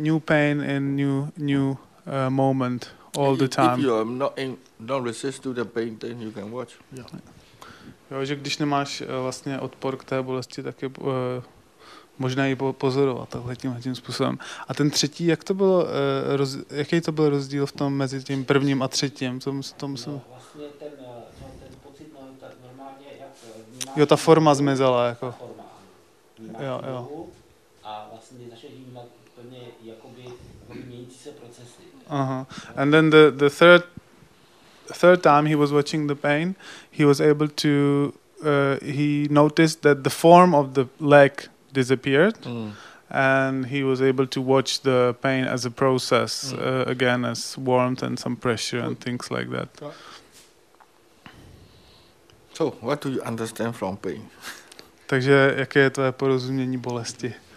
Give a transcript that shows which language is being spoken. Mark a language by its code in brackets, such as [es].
[en] New pain in new moment all the time. If you are not resist to the pain, then you can watch. Yeah. [cs] Jo, že když nemáš vlastně odpor k té bolesti, tak je možné ji pozorovat takhle tím způsobem. A ten třetí, jak to bylo, jaký to byl rozdíl v tom mezi tím prvním a třetím? Tom jsem... No, vlastně ten pocit, no, tak normálně, jak... Jo, ta forma zmizela, jako. Ta forma. Jo, jo. A vlastně začal vnímat plně, jakoby měnící se procesy. Uh-huh. [en] And then the third time he was watching the pain, he was able to he noticed that the form of the leg disappeared, and he was able to watch the pain as a process again, as warmth and some pressure and things like that. So, what do you understand from pain? [cs] Takže jaké je tvoje porozumění bolesti?